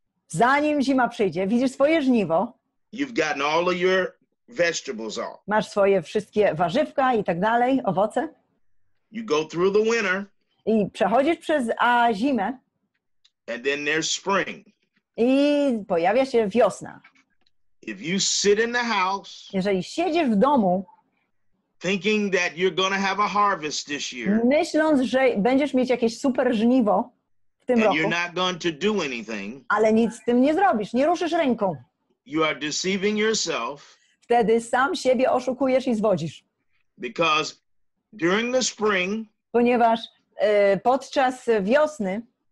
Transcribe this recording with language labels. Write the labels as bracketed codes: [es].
[pl] Zanim zima przyjdzie, widzisz swoje żniwo. [en] You've gotten all of your vegetables off. [pl] Masz swoje wszystkie warzywka i tak dalej, owoce. [en] You go through the winter. [pl] I przechodzisz przez zimę. [en] And then there's spring. [pl] I pojawia się wiosna. [en] If you sit in the house, [pl] jeżeli siedzisz w domu, [en] thinking that you're gonna have a harvest this year, [pl] myśląc, że będziesz mieć jakieś super żniwo w tym [en] and [pl] roku, [en] you're not going to do anything, [pl] ale nic z tym nie zrobisz, nie ruszysz ręką, [en] you are deceiving yourself, [pl] wtedy sam siebie oszukujesz i zwodzisz. [en] Because during the spring, [pl] ponieważ podczas wiosny